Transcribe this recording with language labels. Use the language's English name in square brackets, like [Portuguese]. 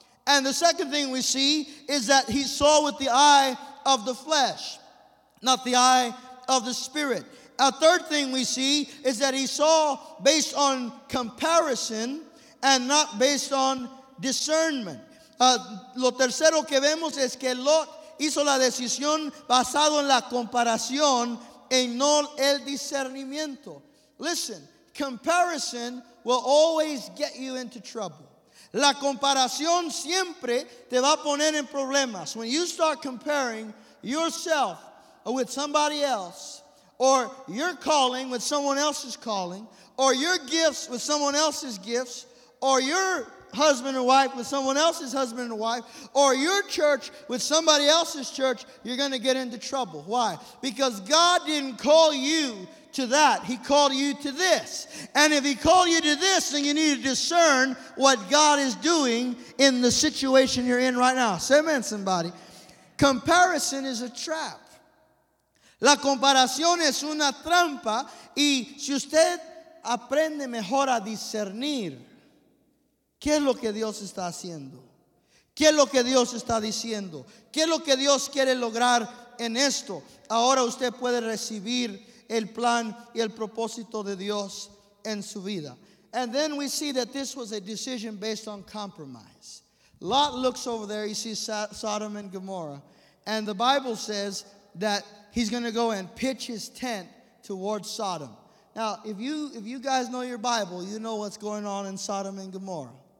[English] And the second thing we see is that he saw with the eye of the flesh, not the eye of the Spirit. A third thing we see is that he saw based on comparison and not based on discernment. [Spanish] Lo tercero que vemos es que Lot hizo la decisión basado en la comparación y no el discernimiento. [English] Listen, comparison will always get you into trouble. [Spanish] La comparación siempre te va a poner en problemas. [English] When you start comparing yourself with somebody else, or your calling with someone else's calling, or your gifts with someone else's gifts, or your husband and wife with someone else's husband and wife, or your church with somebody else's church, you're going to get into trouble. Why? Because God didn't call you to that. He called you to this. And if he called you to this, then you need to discern what God is doing in the situation you're in right now. Say amen, somebody. Comparison is a trap. [Spanish] La comparación es una trampa. Y si usted aprende mejor a discernir, ¿qué es lo que Dios está haciendo? ¿Qué es lo que Dios está diciendo? ¿Qué es lo que Dios quiere lograr en esto? Ahora usted puede recibir el plan y el propósito de Dios en su vida. [English] And then we see that this was a decision based on compromise. Lot looks over there, he sees Sodom and Gomorrah, and the Bible says that he's going to go and pitch his tent towards Sodom. Now, if you guys know your Bible, you know what's going on in Sodom and Gomorrah.